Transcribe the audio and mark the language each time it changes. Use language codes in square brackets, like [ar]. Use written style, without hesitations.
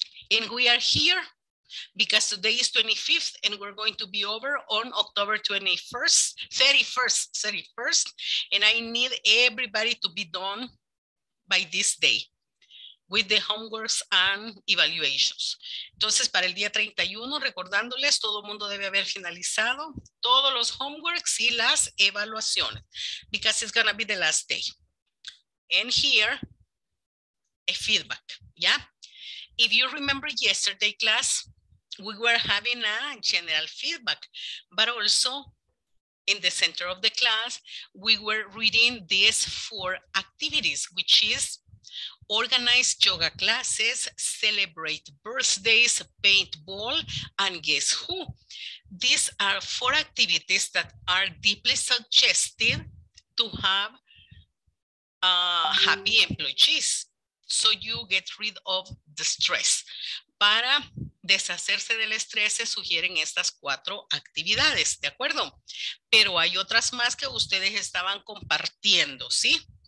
[en] And we are here because today is 25th and we're going to be over on October 31st. And I need everybody to be done by this day with the homeworks and evaluations. [es] Entonces, para el día 31, recordándoles, todo el mundo debe haber finalizado todos los homeworks y las evaluaciones. [en] Because it's going to be the last day. And here, a feedback. Yeah? If you remember yesterday class, we were having a general feedback. But also, in the center of the class, we were reading these four activities, which is organize yoga classes, celebrate birthdays, paintball, and guess who? These are four activities that are deeply suggested to have happy employees. So you get rid of the stress. [es] Para deshacerse del estrés se sugieren estas cuatro actividades, ¿de acuerdo? Pero hay otras más que ustedes estaban compartiendo, ¿sí?